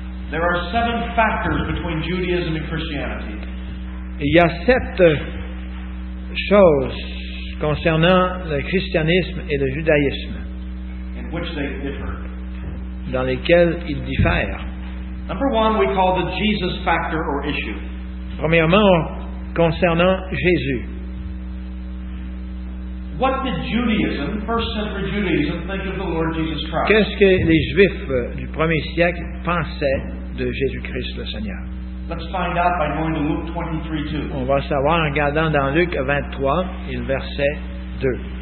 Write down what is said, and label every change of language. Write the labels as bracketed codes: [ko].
[en] There are seven factors between Judaism and Christianity. [fr] Il y a sept choses concernant le christianisme et le judaïsme. [en] In which they differ. [fr] Dans lesquelles ils diffèrent. [en] Number one, we call the Jesus factor or issue. [fr] Premièrement, concernant Jésus. [en] What did Judaism, first century Judaism, think of the Lord Jesus Christ? [fr] Qu'est-ce que les Juifs du premier siècle pensaient de Jésus-Christ le Seigneur? [en] Let's find out by going to Luke 23:2. [fr] On va savoir en regardant dans Luc 23 et le verset 2.